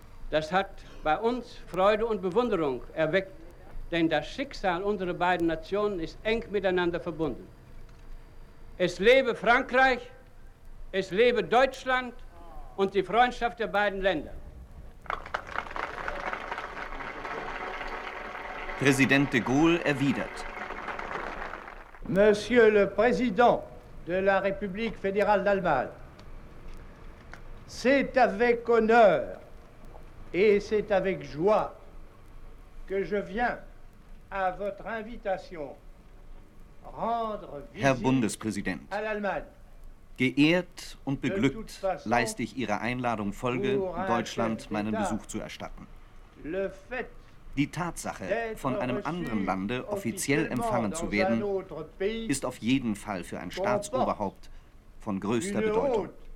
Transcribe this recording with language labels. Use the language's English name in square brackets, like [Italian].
[German] Das hat bei uns Freude und Bewunderung erweckt, denn das Schicksal unserer beiden Nationen ist eng miteinander verbunden. Es lebe Frankreich, es lebe Deutschland und die Freundschaft der beiden Länder. Präsident de Gaulle erwidert. [French] Monsieur le Président de la République fédérale d'Allemagne, c'est avec honneur et c'est avec joie que je viens à votre invitation rendre visite. [German] Herr Bundespräsident, [French] à l'Allemagne. [German] Geehrt und beglückt leiste ich Ihrer Einladung Folge, Deutschland meinen Besuch zu erstatten. Die Tatsache, von einem anderen Lande offiziell empfangen zu werden, ist auf jeden Fall für ein Staatsoberhaupt von größter Bedeutung.